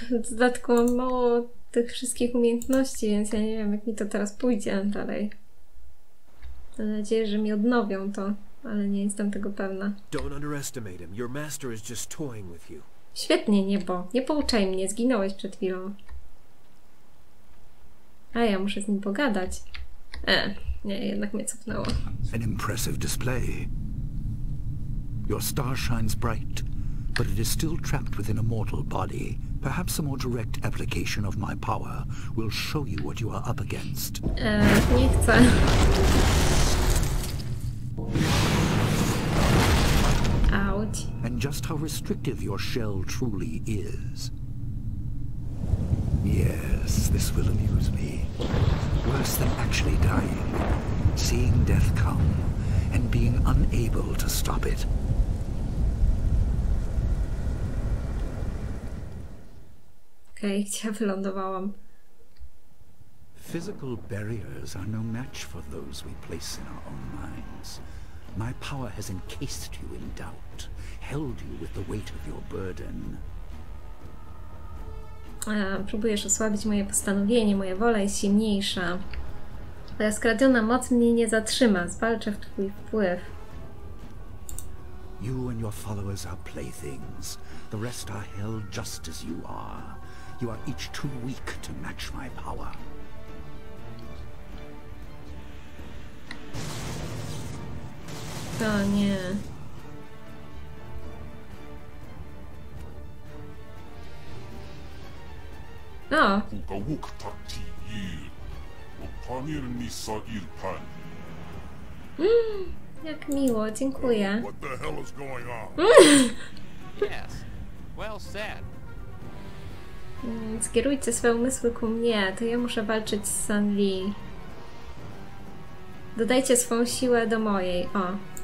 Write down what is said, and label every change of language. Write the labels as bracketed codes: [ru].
[pl] Dodatkowo mało tych wszystkich umiejętności, więc ja nie wiem, jak mi to teraz pójdzie dalej. Mam nadzieję, że mi odnowią to, ale nie jestem tego pewna. [en] Don't underestimate him. Your master is just toying with you. [pl] Świetnie, niebo. Nie pouczaj mnie, zginąłeś przed chwilą. A ja muszę z nim pogadać. Nie, jednak mnie cofnęło. [en] An impressive display. Your star shines bright, but it is still trapped within a mortal body. Perhaps a more direct application of my power will show you what you are up against. [pl] Nie chcę. [en] Ouch. And just how restrictive your shell truly is. Yes, this will amuse me. Worse than actually dying, seeing death come and being unable to stop it. [pl] Okej, gdzie wylądowałam? [en] Physical barriers are no match for those we place in our own minds. My power has encased you in doubt, held you with the weight of your burden. [pl] Próbujesz osłabić moje postanowienie, moja wola jest silniejsza. Twoja skradziona moc mnie nie zatrzyma, zwalczę w twój wpływ. [en] You and your followers are playthings. The rest are held just as you are. You are each too weak to match my power. [pl] O nie. No. Ukałuk takti ir. Opanir nisa ir pan. Jak miło, dziękuję. [en] What the hell is going on? Yes. Well said. [pl] Skierujcie swoje umysły ku mnie, to ja muszę walczyć z San Li. Dodajcie swą siłę do mojej, o.